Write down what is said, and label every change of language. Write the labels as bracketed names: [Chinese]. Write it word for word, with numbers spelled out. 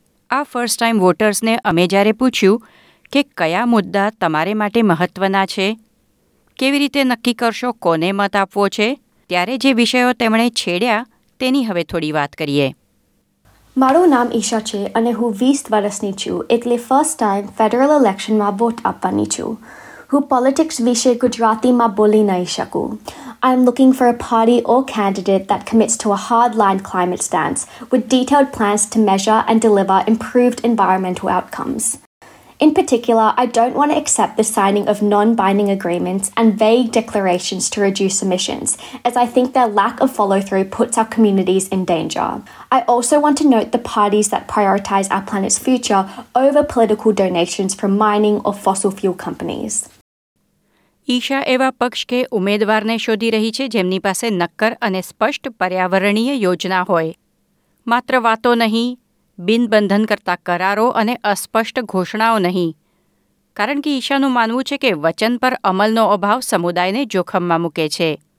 [Gujarati] આ first time વોટર્સને અમે જ્યારે પૂછ્યું કે કયા મુદ્દા તમારે માટે મહત્ત્વના છે, કેવી રીતે નક્કી કરશો કોને મત આપવો છે, ત્યારે જે વિષયો તેમણે છેડ્યા તેની હવે થોડી વાત કરીએ. મારું નામ ઈશા છે અને હું વીસ વર્ષની છું, એટલે ફર્સ્ટ ટાઈમ ફેડરલ ઇલેક્શનમાં વોટ આપવાની છું. હું પોલિટિક્સ વિશે ગુજરાતીમાં બોલી નહીં શકું. [English] I'm looking for a party or candidate that commits to a hardline climate stance with detailed plans to measure and deliver improved environmental outcomes. In particular, I don't want to accept the signing of non-binding agreements and vague declarations to reduce emissions, as I think their lack of follow-through puts our communities in danger. I also want to note the parties that prioritise our planet's future over political donations from mining or fossil fuel companies. [Gujarati] Isha એવા પક્ષ કે ઉમેદવારને શોધી રહી છે જેમની પાસે નક્કર અને સ્પષ્ટ પર્યાવરણીય યોજના હોય. માત્ર વાતો નહીં, બિનબંધન કરતા કરારો અને અસ્પષ્ટ ઘોષણાઓ નહીં, કારણ કે ઈશાનું માનવું છે કે વચન પર અમલનો અભાવ સમુદાયને જોખમમાં મૂકે છે.